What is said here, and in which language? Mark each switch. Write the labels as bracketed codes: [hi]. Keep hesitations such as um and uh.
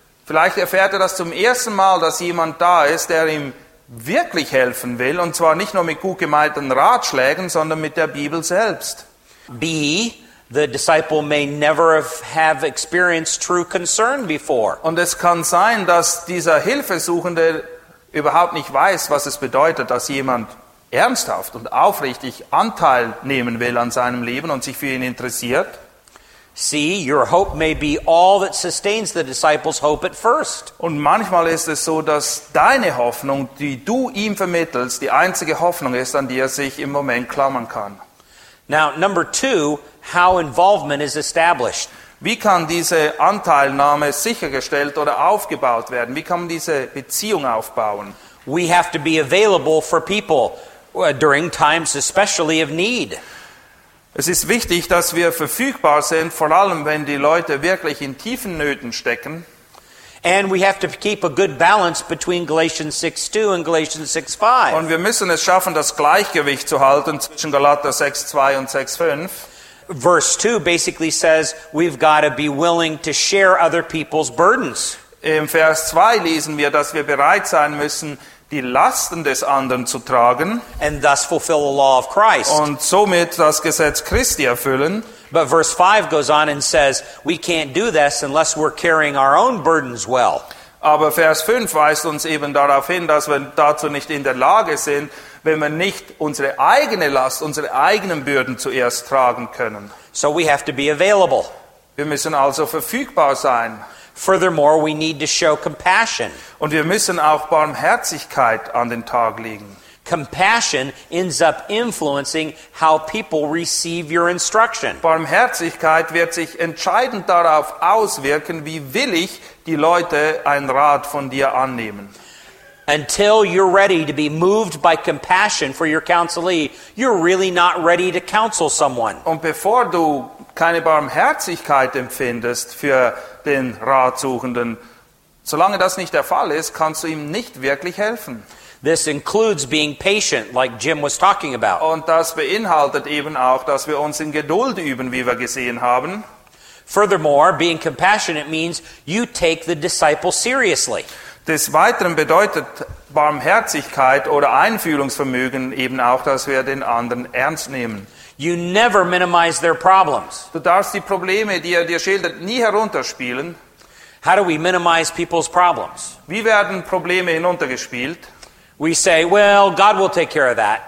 [de] Vielleicht erfährt er das zum ersten Mal, dass jemand da ist, der ihm wirklich helfen will, und zwar nicht nur mit gut gemeinten Ratschlägen, sondern mit der Bibel selbst. B. [en] The disciple may never have true concern before. [de] Und es kann sein, dass dieser Hilfesuchende überhaupt nicht weiß, was es bedeutet, dass jemand ernsthaft und aufrichtig Anteil nehmen will an seinem Leben und sich für ihn interessiert. [en] See, your hope may be all that sustains the disciple's hope at first. [de] Und manchmal ist es so, dass deine Hoffnung, die du ihm vermittelst, die einzige Hoffnung ist, an die er sich im Moment klammern kann. [en] Now, number two, how involvement is established. [de] Wie kann diese Anteilnahme sichergestellt oder aufgebaut werden? Wie kann man diese Beziehung aufbauen? [en] We have to be available for people during times especially of need. [de] Es ist wichtig, dass wir verfügbar sind, vor allem wenn die Leute wirklich in tiefen Nöten stecken. [en] And we have to keep a good balance between Galatians 6:2 and Galatians 6:5. [de] Und wir müssen es schaffen, das Gleichgewicht zu halten zwischen Galater 6:2 und 6:5. [en] Verse 2 basically says we've got to be willing to share other people's burdens. [de] In verse 2 lesen wir, dass wir bereit sein müssen, die Lasten des anderen zu tragen [en] and thus fulfill the law of Christ. [de] und somit das Gesetz Christi erfüllen. [en] But verse 5 goes on and says, we can't do this unless we're carrying our own burdens well. [de] Aber Vers 5 eben darauf hin, dass wir dazu nicht in der Lage sind, wenn wir nicht unsere eigene Last, unsere eigenen Bürden zuerst tragen können. [en] So we have to be available. [de] Wir müssen also verfügbar sein. [en] Furthermore, we need to show compassion. [de] Und wir müssen auch Barmherzigkeit an den Tag legen [en] compassion ends up influencing how people receive your instruction. [de] Barmherzigkeit wird sich entscheidend darauf auswirken, wie willig die Leute einen Rat von dir annehmen. [en] Until you're ready to be moved by compassion for your counselee, you're really not ready to counsel someone. [de] Und bevor du keine Barmherzigkeit empfindest für den Ratsuchenden, solange das nicht der Fall ist, kannst du ihm nicht wirklich helfen. [en] This includes being patient, like Jim was talking about. [de] And das beinhaltet eben auch, dass wir uns Geduld üben, wie wir gesehen haben. [en] Furthermore, being compassionate means you take the disciple seriously. [de] Des Weiteren bedeutet Barmherzigkeit oder Einfühlungsvermögen eben auch, dass wir den anderen ernst nehmen. [en] You never minimize their problems. [de] Du darfst die Probleme, die er dir schildert, nie herunterspielen. [en] How do we minimize people's problems? [de] Wie werden Probleme hinuntergespielt? [en] we say, well, God will take care of that.